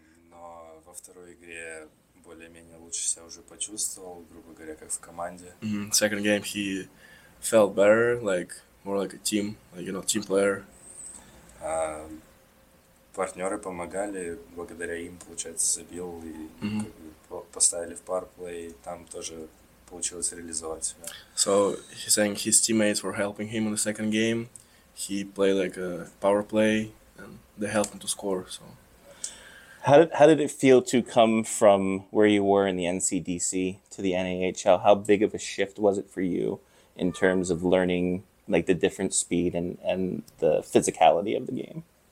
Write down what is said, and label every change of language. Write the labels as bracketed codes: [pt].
[ru] Но во второй игре более-менее лучше себя уже почувствовал, грубо говоря, как в команде. Mm-hmm. [en] Second game he felt better, like more like a team, like, you know, team player. [ru] Партнеры помогали, благодаря им, получается, забил и mm-hmm. как бы поставили в парплей, там тоже... получилось реализовать себя. [en] So he's saying his teammates were helping him in the second game. He played like a power play and they helped him to score. So how did it feel to come from where you were in the NCDC to the NAHL? How big of a shift was it for you in terms of learning like the different speed and the physicality of the game?